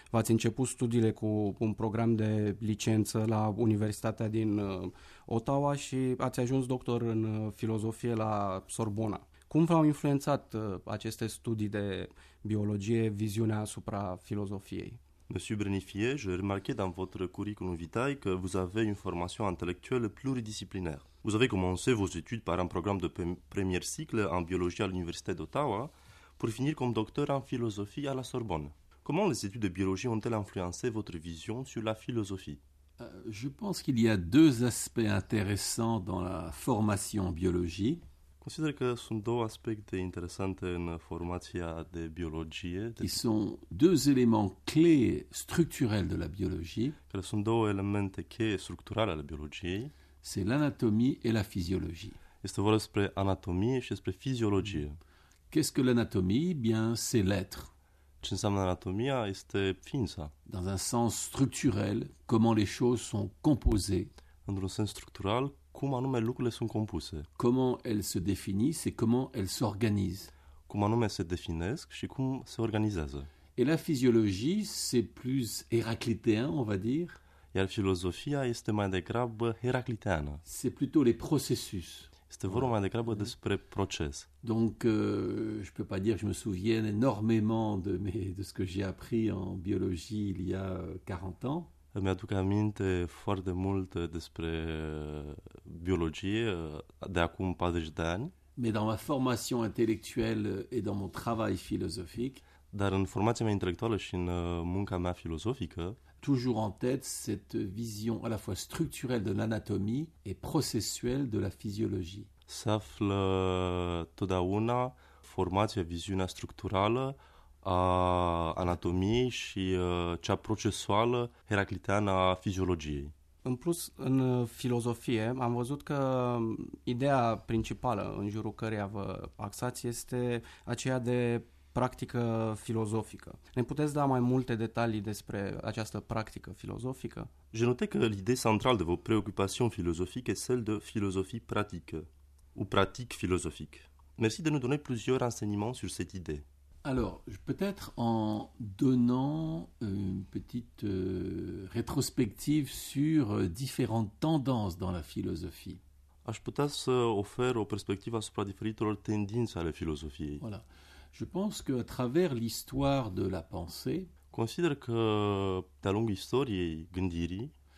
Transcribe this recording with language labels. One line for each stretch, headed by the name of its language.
Romanian: V-ați început studiile cu un program de licență la Universitatea din Ottawa și ați ajuns doctor în filozofie la Sorbona. Cum v-au influențat aceste studii de biologie, viziunea asupra filozofiei?
French: Monsieur Brenifié, je remarquais dans votre curriculum vitae que vous avez une formation intellectuelle pluridisciplinaire. Vous avez commencé vos études par un programme de premier cycle en biologie à l'Université d'Ottawa pour finir comme docteur en philosophie à la Sorbonne. Comment les études de biologie ont-elles influencé votre vision sur la philosophie? Je pense qu'il y a deux aspects intéressants dans la formation en biologie.
Romanian: Consider că sunt două aspecte interesante în formația de biologie.
French: Qui sont deux éléments clés structurels de la biologie.
Romanian: Care sunt două elemente cheie structurale ale biologiei.
French: C'est l'anatomie et la physiologie.
Romanian: Este vorba despre anatomie și despre fiziologie.
French: Qu'est-ce que l'anatomie? Bien, c'est l'être.
Romanian: Ce înseamnă anatomia? Este ființa.
French: Dans un sens structurel, comment les choses sont composées.
Romanian: Într-un sens structural, cum anume lucrurile sunt compuse?
French: Comment elles se définissent et comment elles s'organisent?
Romanian: Cum anume se definesc și cum se organizează?
French: Et la physiologie, c'est plus héraclitéen, on va dire?
Romanian: Iar filozofia este mai degrabă heracliteană.
French: C'est plutôt les processus.
Romanian: Este vorba mai degrabă despre proces.
French: Donc, je peux pas dire que je me souviens énormément de ce que j'ai appris en biologie il y a 40 ans.
Romanian: Îmi aduc aminte foarte mult despre biologie de acum 40 de ani.
French: Mais dans ma formation intellectuelle et dans mon travail philosophique.
Romanian: Dar în formația mea intelectuală și în munca mea filozofică.
French: Toujours en tête cette vision à la fois structurelle de l'anatomie et processuelle de la physiologie.
Romanian: S-află totdeauna formația, viziunea structurală a anatomiei și cea procesuală heracliteană a fiziologiei. În plus, în filozofie, am văzut că ideea principală în jurul căreia vă axați este aceea de practică filozofică. Ne puteți da mai multe detalii despre această practică filozofică?
French: Je note că l'idée centrale de vos préoccupations philosophiques est celle de philosophie pratique ou pratique philosophique. Merci de nous donner plusieurs renseignements sur cette idée. Alors, peut-être en donnant une petite rétrospective sur différentes tendances dans la philosophie.
Romanian: Aș putea să ofer o perspectivă asupra diferitelor tendințe ale filozofiei.
French: Voilà. Je pense que à travers l'histoire de la pensée,
Romanian: consider că de-a lungul istoriei gândirii,